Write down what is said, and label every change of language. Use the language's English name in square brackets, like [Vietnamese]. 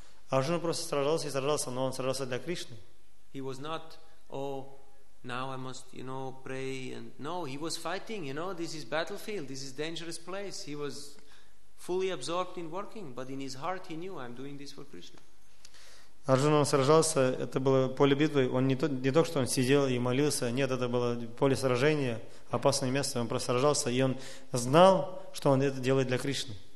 [Russian] Arjuna просто сражался и сражался, но он сражался для Кришны. [English] He was not, oh, now I must, you know, pray. And no, he was fighting, you know, this is battlefield, this is dangerous place. He was fully absorbed in working, but in his heart he knew, I'm doing this for Krishna. [Russian] Arjuna, он сражался, это было поле битвы, он не то, что он сидел и молился, нет, это было поле сражения, опасное место, он просто сражался, и он знал, что он это делает для Кришны.